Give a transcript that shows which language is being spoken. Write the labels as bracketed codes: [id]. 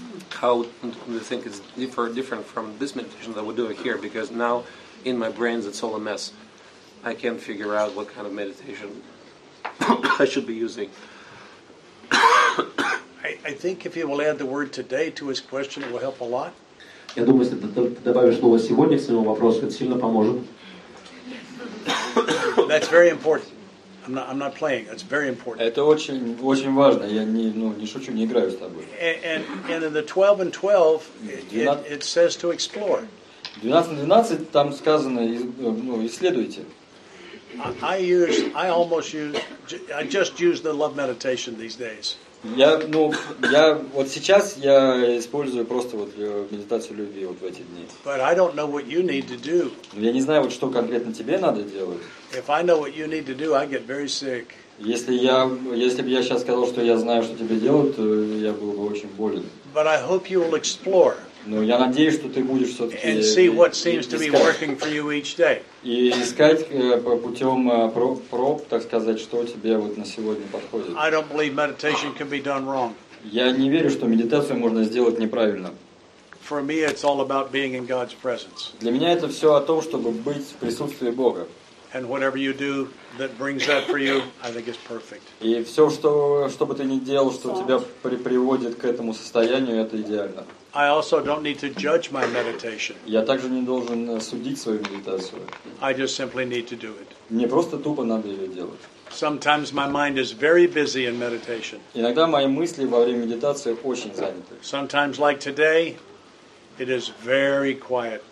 [en] How do you think it's different from this meditation that we're doing here? Because now in my brain it's all a mess. I can't figure out what kind of meditation I should be using. I think if he will add the word today to his question, it will help a lot. [ru] Я думаю, если ты добавишь слово сегодня к своему вопросу, это сильно поможет. [en] That's very important. I'm not playing. That's very important. [ru] Это очень, очень важно. Я не шучу, не играю с тобой. [en] And in the 12 and 12, it says to explore. [ru] 12:12 там сказано, исследуйте. [en] I just use the love meditation these days. [ru] Я сейчас использую просто вот медитацию любви вот в эти дни. [en] But I don't know what you need to do. [ru] Я не знаю, вот что конкретно тебе надо делать. [en] If I know what you need to do, I get very sick. [ru] Если бы я сейчас сказал, что я знаю, что тебе делать, то я был бы очень болен. [en] But I hope you will explore. [ru] Но я надеюсь, что ты будешь все-таки [en] and see what seems to be working for you each day. [ru] И искать путем проб, так сказать, что тебе вот на сегодня подходит. [en] I don't believe meditation can be done wrong. [ru] Я не верю, что медитацию можно сделать неправильно. [en] For me, it's all about being in God's presence. [ru] Для меня это все о том, чтобы быть в присутствии Бога. [en] And whatever you do that brings that for you, I think is perfect. [ru] И все, что бы ты ни делал, что тебя приводит к этому состоянию, это идеально. [en] I also don't need to judge my meditation. [ru] Я также не должен судить свою медитацию. [en] I just simply need to do it. [ru] Мне просто тупо надо ее делать. [en] Sometimes my mind is very busy in meditation. [ru] Иногда мои мысли во время медитации очень заняты. [en] Sometimes, like today, it is very quiet.